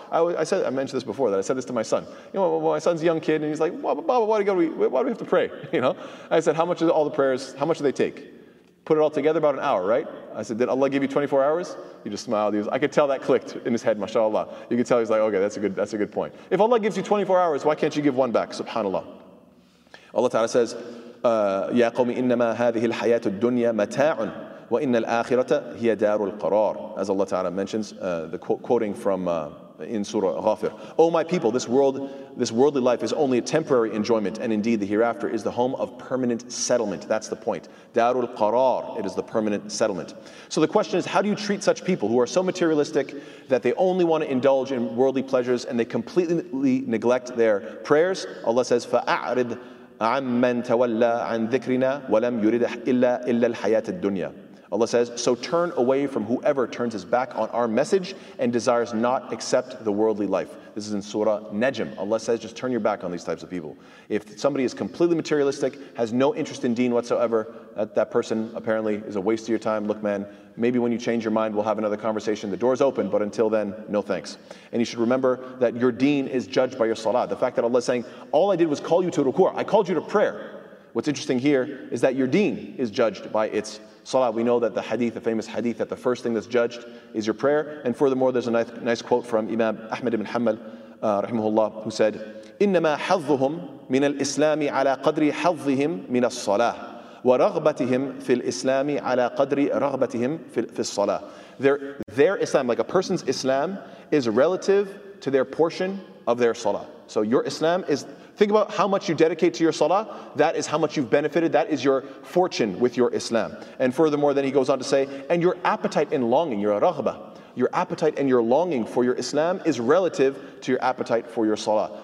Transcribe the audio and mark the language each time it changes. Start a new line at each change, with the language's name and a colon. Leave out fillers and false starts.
English: I said this to my son. You know, my son's a young kid and he's like, Baba, why do we have to pray? You know? I said, how much do they take? Put it all together, about an hour, right? I said, did Allah give you 24 hours? He just smiled. I could tell that clicked in his head, mashallah. You could tell he's like, okay, that's a good point. If Allah gives you 24 hours, why can't you give one back? SubhanAllah. Allah Ta'ala says,
Arabic: يَا قَوْمِ إِنَّمَا هَذِهِ الْحَيَاةُ الدُّنْيَا مَتَاعٌ وَإِنَّ الْآخِرَةَ هِيَ دَارُ الْقَرَارِ.
English: As Allah Ta'ala mentions, quoting from in Surah Ghafir. Oh my people, this worldly life is only a temporary enjoyment, and indeed the hereafter is the home of permanent settlement. That's the point.
Arabic: دَارُ الْقَرَارِ,
English: it is the permanent settlement. So the question is, how do you treat such people who are so materialistic that they only want to indulge in worldly pleasures and they completely neglect their prayers? Allah says,
Arabic: فَأَعْرِضْ عَمَّنْ تَوَلَّى عَنْ ذِكْرِنَا وَلَمْ يُرِدْ إِلَّا الْحَيَاةَ الدُّنْيَا.
English: Allah says, so turn away from whoever turns his back on our message and desires not except the worldly life. This is in Surah Najm. Allah says, just turn your back on these types of people. If somebody is completely materialistic, has no interest in deen whatsoever, that person apparently is a waste of your time. Look, man, maybe when you change your mind, we'll have another conversation. The door's open, but until then, no thanks. And you should remember that your deen is judged by your salah. The fact that Allah is saying, all I did was call you to ruku', I called you to prayer. What's interesting here is that your deen is judged by its salah. We know that the hadith, the famous hadith, that the first thing that's judged is your prayer. And furthermore, there's a nice quote from Imam Ahmad ibn Hanbal, rahimahullah, who said,
Arabic: إنما حظهم من الإسلام على قدر حظهم من الصلاة ورغبتهم في الإسلام على قدر رغبتهم في الصلاة.
English: Their Islam, like a person's Islam, is relative to their portion of their salah. So your Islam is, think about how much you dedicate to your salah, that is how much you've benefited, that is your fortune with your Islam. And furthermore, then he goes on to say, and your appetite and longing, your raghba, your appetite and your longing for your Islam is relative to your appetite for your salah.